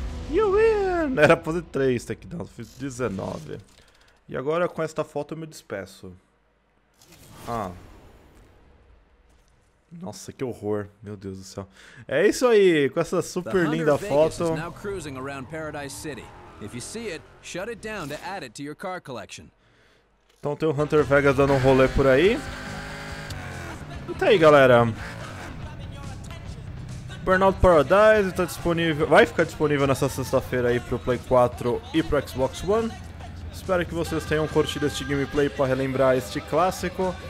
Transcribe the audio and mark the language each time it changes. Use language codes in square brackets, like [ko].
[en] You win! [pt] Era pra fazer 3 takedowns, fiz 19. E agora com esta foto eu me despeço. Ah. Nossa, que horror. Meu Deus do céu. É isso aí, com essa super linda foto. [en] Vegas is now cruising around Paradise City. If you see it, shut it down to add it to your car collection. [pt] Então tem o Hunter Vegas dando um rolê por aí. Então aí, galera. Burnout Paradise está disponível, vai ficar disponível nessa sexta-feira aí pro Play 4 e pro Xbox One. Espero que vocês tenham curtido este gameplay para relembrar este clássico.